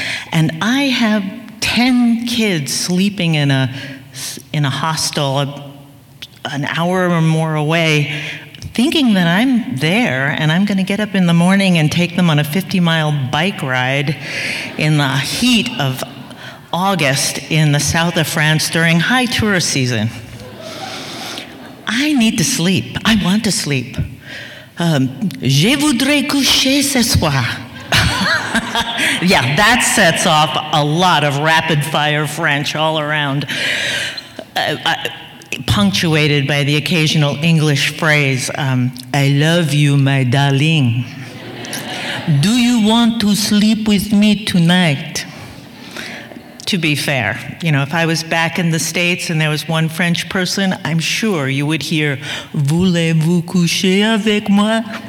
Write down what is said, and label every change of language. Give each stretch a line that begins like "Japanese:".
English: And I have 10 kids sleeping in a hostel an hour or more away, thinking that I'm there and I'm gonna get up in the morning and take them on a 50-mile bike ride in the heat of August in the south of France during high tourist season. I need to sleep. I want to sleep.
French: Je voudrais coucher ce soir.
English: Yeah, that sets off a lot of rapid-fire French all around. Punctuated by the occasional English phrase, I love you, my darling. Do you want to sleep with me tonight? To be fair, you know, if I was back in the States and there was one French person, I'm sure you would hear,
French: voulez-vous coucher avec moi?